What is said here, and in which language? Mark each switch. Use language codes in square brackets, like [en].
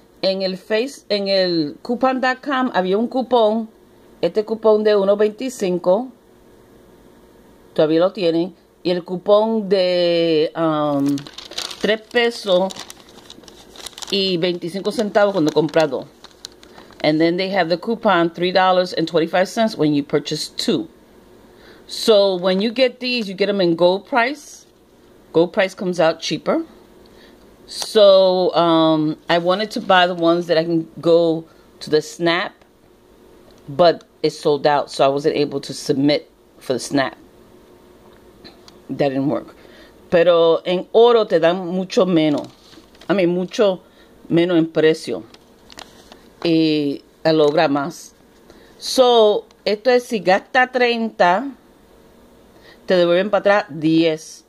[es] En el Face, en el coupon.com había un cupón, este cupón de 1.25, todavía lo tienen, y el cupón de 3 pesos y 25 centavos cuando comprado. [en] And then they have the coupon $3.25 when you purchase 2. So when you get these, you get them in gold price. Gold price comes out cheaper. So I wanted to buy the ones that I can go to the snap, but it sold out, so I wasn't able to submit for the snap. That didn't work. [es] Pero en oro te dan mucho menos. [en] I mean, [es] mucho menos en precio. Y logra más. So, esto es si gasta 30, te devuelven para atrás 10.